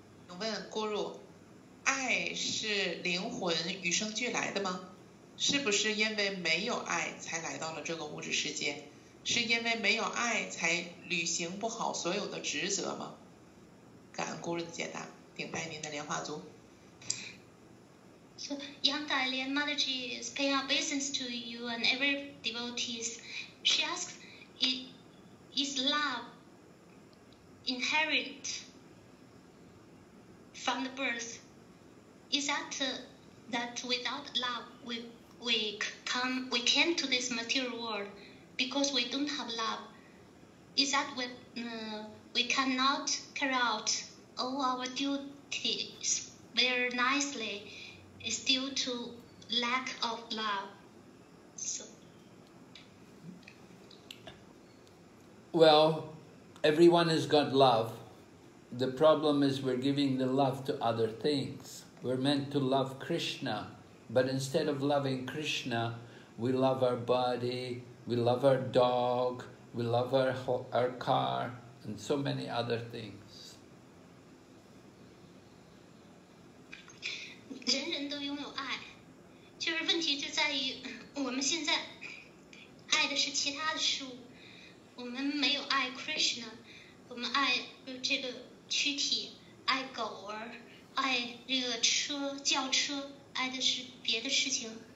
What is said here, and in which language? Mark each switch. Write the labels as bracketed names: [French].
[Chinese] 请问咕噜，爱是灵魂与生俱来的吗？是不是因为没有爱才来到了这个物质世界？是因为没有爱才履行不好所有的职责吗？感恩咕噜的解答，顶拜您的莲花足。 [English] So, Yang Gai Lian Mataji is paying obeisance to you and every devotees. She asks, is love inherent from the birth? Is that, that without love we came to this material world because we don't have love? Is that we cannot carry out all our duties very nicely? Is due to lack of love. So. Well, everyone has got love. The problem is we're giving the love to other things. We're meant to love Krishna, but instead of loving Krishna, we love our body, we love our dog, we love our car, and so many other things. [Chinese] 人人都拥有爱，就是问题就在于我们现在爱的是其他的事物，我们没有爱 Krishna， 我们爱这个躯体，爱狗儿，爱这个车，轿车，爱的是别的事情。